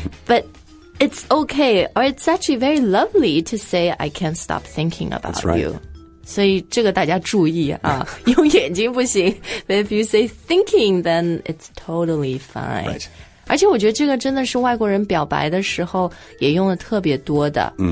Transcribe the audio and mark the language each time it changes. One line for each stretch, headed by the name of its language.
English: But it's okay, or it's actually very lovely to say I can't stop thinking about you.
Chinese: 所以这个大家注意啊，用眼睛不行。
English: But if you say thinking, then it's totally fine. Right.
Chinese: 而且我觉得这个真的是外国人表白的时候也用的特别多的。